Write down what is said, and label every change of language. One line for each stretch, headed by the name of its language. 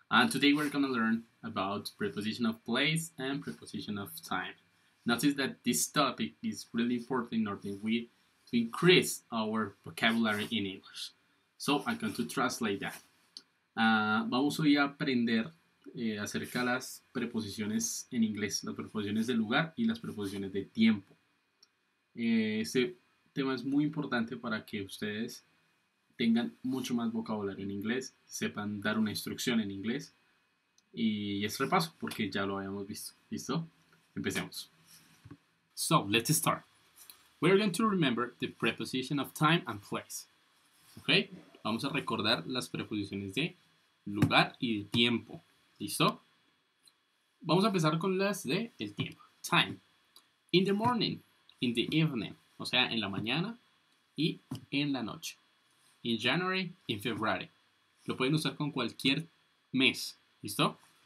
English: Today we're going to learn about preposition of place and preposition of time. Notice that this topic is really important in order to increase our vocabulary in English. So I'm going to translate that.
Spanish: Vamos hoy a aprender acerca de las preposiciones en inglés, las preposiciones de lugar y las preposiciones de tiempo. Este tema es muy importante para que ustedes tengan mucho más vocabulario en inglés, sepan dar una instrucción en inglés y es repaso porque ya lo habíamos visto. ¿Listo? Empecemos.
English: So, let's start. We are going to remember the preposition of time and place. Okay?
Spanish: Vamos a recordar las preposiciones de lugar y de tiempo. ¿Listo? Vamos a empezar con las de el tiempo.
English: Time. In the morning, in the evening,
Spanish: o sea, en la mañana y en la noche.
English: In January, in February.
Spanish: Lo pueden usar con cualquier mes. ¿Listo?